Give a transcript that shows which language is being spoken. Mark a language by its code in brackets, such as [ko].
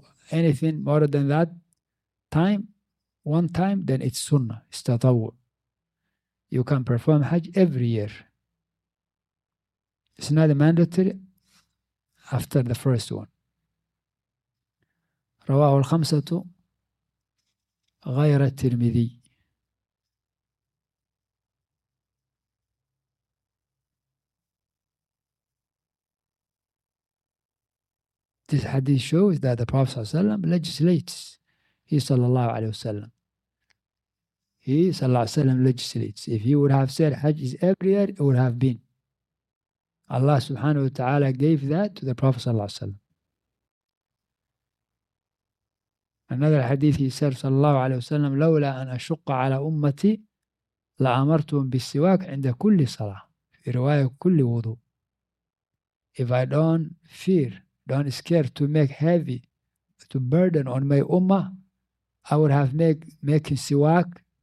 [en] Anything more than that time, one time, then it's sunnah, it's tatawwu. You can perform Hajj every year. It's not mandatory after the first one. [ar] رواه الخمسة غير الترمذي. [en] This hadith shows that the Prophet ﷺ legislates. He sallallahu alayhi wasallam. He, sallallahu alayhi wa sallam, legislates. If he would have said Hajj is every year, it would have been. Allah subhanahu wa ta'ala gave that to the Prophet sallallahu alayhi wa sallam. Another hadith, he said, [ar] sallallahu alayhi wa sallam, لَوْلَا أَنْ أَشُقَّ عَلَى أُمَّتِي لَأَمَرْتُهُمْ بِالسِّوَاكِ عِنْدَ كُلِّ صَلَاةِ رواية كل وضوء. [en] If I don't scare to make heavy, to burden on my ummah, I would have making siwak